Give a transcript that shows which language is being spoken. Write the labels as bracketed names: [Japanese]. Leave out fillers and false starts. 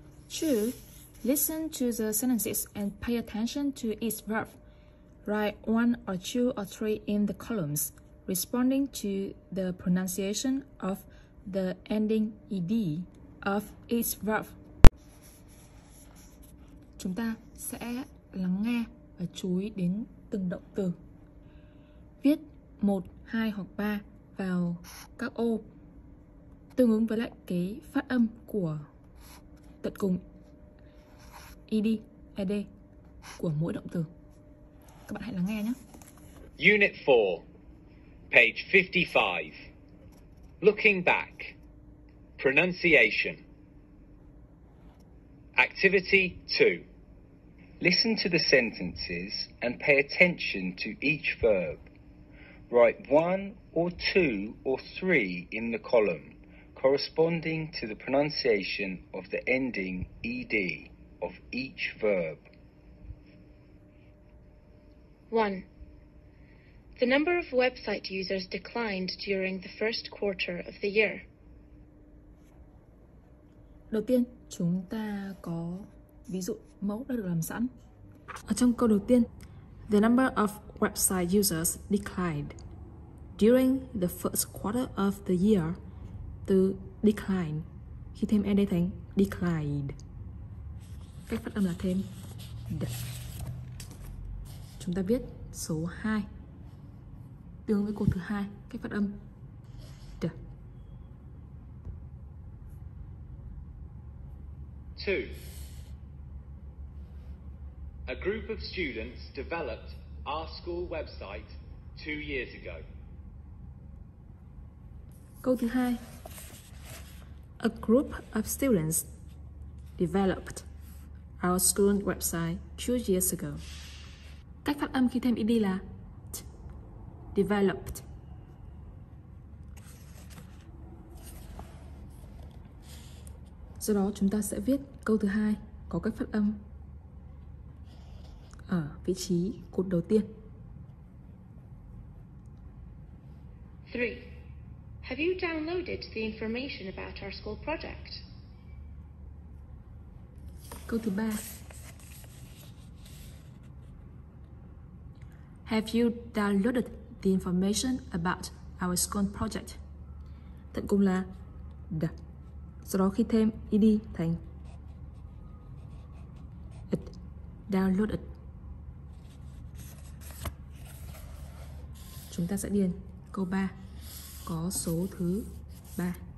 [English] Two, listen to the sentences and pay attention to each verb. Write one or two or three in the columns, responding to the pronunciation of the ending ed of each verb. [Vietnamese] Chúng ta sẽ lắng nghe và chú ý đến từng động từ. Viết 1, 2 hoặc 3 vào các ô tương ứng với lại cái phát âm của tận cùng ED, ED của mỗi động từ. Các bạn hãy lắng nghe nhé. [English] Unit 4, page 55. Looking back. Pronunciation. Activity 2. Listen to the sentences and pay attention to each verb. Write one or two or three in the column, corresponding to the pronunciation of the ending ed of each verb. One. The number of website users declined during the first quarter of the year. [Vietnamese] Đầu tiên, chúng ta có ví dụ mẫu đã được làm sẵn. Ở trong câu đầu tiên, [English] the number of website users declined during the first quarter of the year. [Vietnamese] Từ decline, khi thêm ed thành declined. Cách phát âm là thêm d. Chúng ta viết số 2 tương với câu thứ hai, cách phát âm d. [English] 2. A group of students developed our school website 2 years ago. [Vietnamese] Câu thứ hai. [English] A group of students developed our school website 2 years ago. [Vietnamese] Cách phát âm khi thêm ed là t, developed. Do đó chúng ta sẽ viết câu thứ hai có cách phát âm ở vị trí cột đầu tiên. [English] 3. Have you downloaded the information about our school project? [Vietnamese] Câu thứ 3. [English] Have you downloaded the information about our school project? [Vietnamese] Tận cùng là d. Sau đó khi thêm ed thành it, downloaded. Chúng ta sẽ điền câu 3 có số thứ 3.